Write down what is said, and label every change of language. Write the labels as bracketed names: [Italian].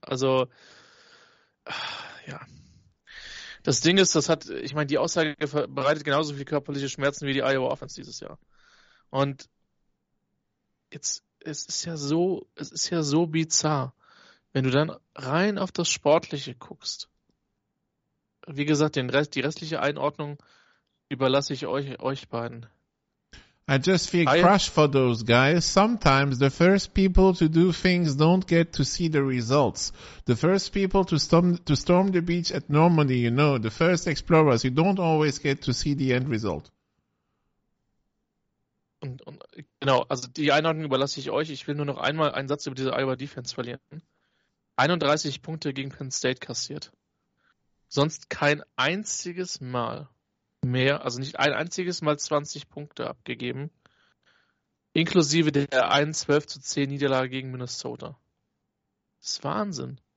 [German] Also ja. Das Ding ist, das hat, ich meine, die Aussage bereitet genauso viel körperliche Schmerzen wie die Iowa Offense dieses Jahr. Und jetzt, es ist ja so bizarr, wenn du dann rein auf das Sportliche guckst. Wie gesagt, die restliche Einordnung überlasse ich euch beiden. [English] I just feel crushed for those guys. Sometimes the first people to do things don't get to see the results. The first people to storm the beach at Normandy, you know, the first explorers, you don't always get to see the end result. [German] Und genau, also die Einordnung überlasse ich euch. Ich will nur noch einmal einen Satz über diese Iowa Defense verlieren. 31 Punkte gegen Penn State kassiert. Sonst kein einziges Mal mehr, also nicht ein einziges Mal 20 Punkte abgegeben, inklusive der 12-10 Niederlage gegen Minnesota. Das ist Wahnsinn.